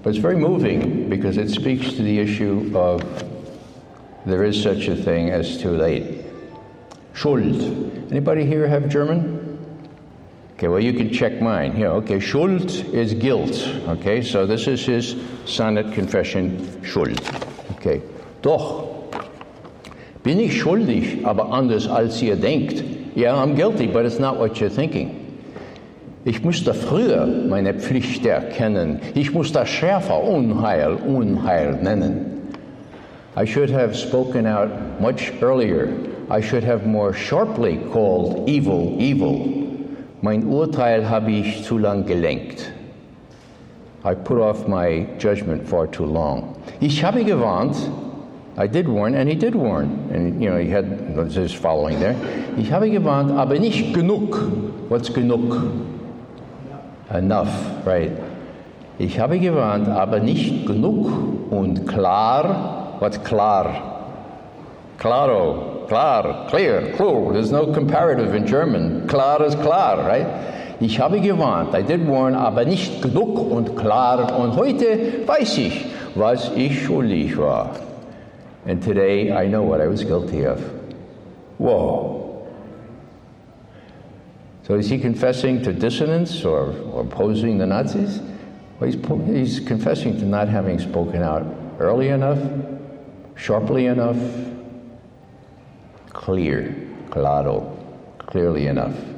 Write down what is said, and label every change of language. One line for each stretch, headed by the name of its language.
English: But it's very moving because it speaks to the issue of there is such a thing as too late. Schuld. Anybody here have German? Okay, well, you can check mine. Here, okay, Schuld is guilt. Okay, so this is his sonnet confession, Schuld.
German: Okay, doch. Bin ich schuldig, aber anders als ihr denkt.
English: Yeah, I'm guilty, but it's not what you're thinking.
German: Ich musste früher meine Pflicht erkennen. Ich musste schärfer Unheil, Unheil nennen.
English: I should have spoken out much earlier. I should have more sharply called evil, evil.
German: Mein Urteil habe ich zu lang gelenkt.
English: I put off my judgment far too long.
German: Ich habe gewarnt.
English: I did warn, and he did warn. And, you know, he had his following there.
German: Ich habe gewarnt, aber nicht genug.
English: What's genug? Enough, right.
German: Ich habe gewarnt, aber nicht genug und klar.
English: What's klar? Claro, klar, clear, cool. There's no comparative in German. Klar is klar, right?
German: Ich habe gewarnt,
English: I did warn,
German: aber nicht genug und klar. Und heute weiß ich, was ich schuldig war.
English: And today, I know what I was guilty of. Whoa. So is he confessing to dissonance or opposing the Nazis? Well, he's confessing to not having spoken out early enough, sharply enough, clear, claro, clearly enough.